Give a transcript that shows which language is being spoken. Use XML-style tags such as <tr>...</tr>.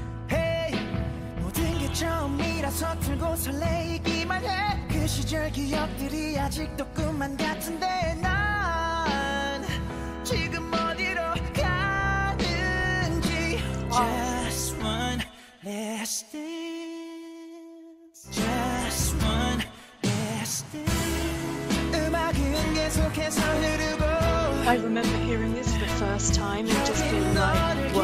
<ko>Hey, 모든 게 처음이라서 들고 설레이기만 해. 그 시절 기억들이 아직도 꿈만 같은데 난 지금 어디로 가는지.</ko> <en>Just one. Last dance, just one last dance.</en> <ko>음악은 계속해서 흐르고.</ko> <en>I remember hearing this for the first time and just feeling like, whoa.</en>